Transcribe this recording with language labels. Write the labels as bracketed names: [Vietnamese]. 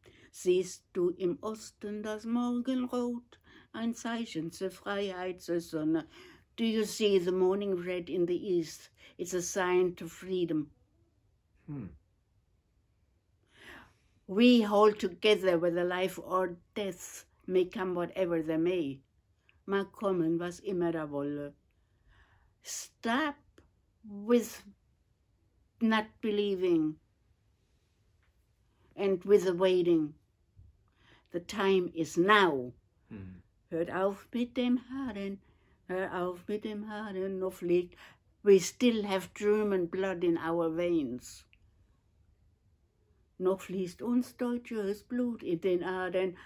[German] Siehst du im Osten das Morgenrot, ein Zeichen zur Freiheit, zur Sonne. [English] Do you see the morning red in the east? It's a sign to freedom. Hmm. We hold together whether life or death may come whatever they may. [German] Mag kommen, was immer er wolle. [English] Stop with not believing and with awaiting. The time is now. Mm-hmm. [German] Hört auf mit dem Harren. Hör auf mit dem Harren. No fleet. [English] We still have German blood in our veins. [German] No fließt uns deutsches Blut in den Adern.